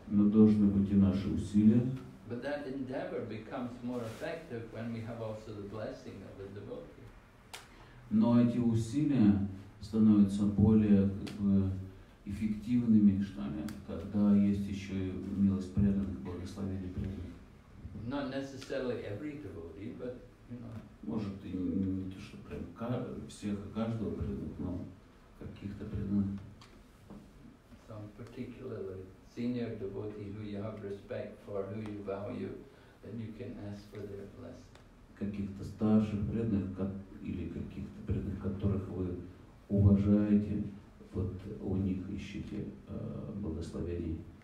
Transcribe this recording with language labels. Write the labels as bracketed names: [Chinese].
[Russian] Но должны быть и наши усилия. [English] But that endeavor becomes more effective when we have also the blessing of the devotee. [Russian] Но эти усилия становятся более эффективными, что ли, когда есть еще и милость преданных, благословение преданных. [English] Not necessarily every devotee, but [Russian] может и не то, что прям всех и каждого преданных, но каких-то преданных. [English] Some particularly senior devotee who you have respect for, who you value, then you can ask for their blessing. [Russian] Каких-то старших преданных или каких-то преданных, которых вы уважаете, вот у них ищите благословений.